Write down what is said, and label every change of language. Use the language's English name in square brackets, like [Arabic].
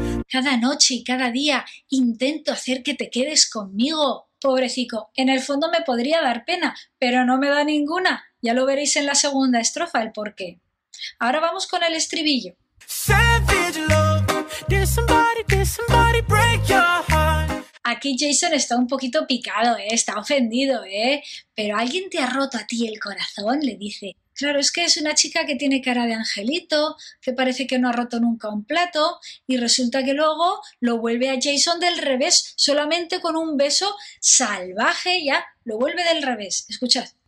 [Spanish] Cada noche y cada día intento hacer que te quedes conmigo. Pobrecico, en el fondo me podría dar pena, pero no me da ninguna. Ya lo veréis en la segunda estrofa el porqué. Ahora vamos con el estribillo. [English] Savage love, did somebody break your heart? [Spanish] Aquí Jason está un poquito picado, está ofendido, Pero ¿alguien te ha roto a ti el corazón? Le dice. Claro, es que es una chica que tiene cara de angelito, que parece que no ha roto nunca un plato, y resulta que luego lo vuelve a Jason del revés, solamente con un beso salvaje, ya, lo vuelve del revés. Escuchad.